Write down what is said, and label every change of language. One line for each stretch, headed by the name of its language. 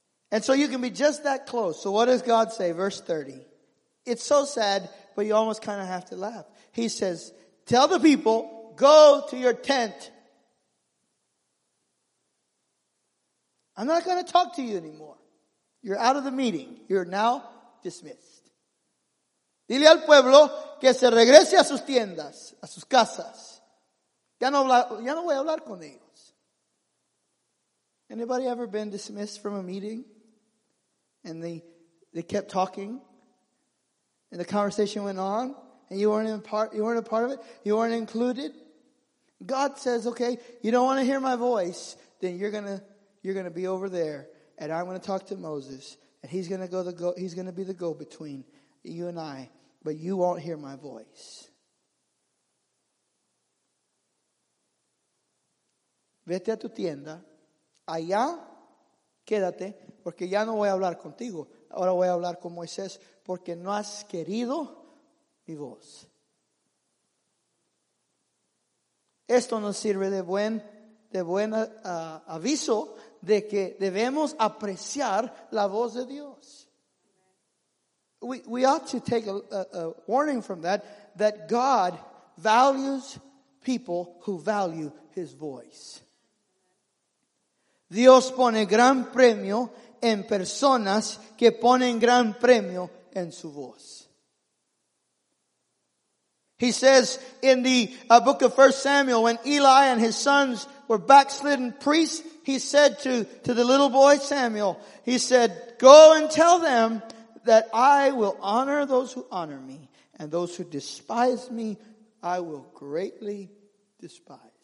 English: And so you can be just that close. So what does God say? Verse 30. It's so sad, but you almost kind of have to laugh. He says, tell the people, go to your tent. I'm not going to talk to you anymore. You're out of the meeting. You're now dismissed.
Spanish: Dile al pueblo que se regrese a sus tiendas, a sus casas. Ya no voy a hablar con ellos.
English: Anybody ever been dismissed from a meeting? And they kept talking. And the conversation went on. And you weren't a part of it. You weren't included. God says, okay, you don't want to hear my voice. Then you're going to be over there, and I'm going to talk to Moses, and he's going to be the go-between, you and I, but you won't hear my voice.
Spanish: Vete a tu tienda, allá quédate, porque ya no voy a hablar contigo, ahora voy a hablar con Moisés, porque no has querido mi voz. Esto nos sirve de buen aviso de que debemos apreciar la voz de Dios.
English: We ought to take a warning from that God values people who value his voice.
Spanish: Dios pone gran premio en personas que ponen gran premio en su voz.
English: He says in the book of 1 Samuel, when Eli and his sons were backslidden priests, he said to the little boy Samuel, he said, go and tell them that I will honor those who honor me, and those who despise me, I will greatly despise.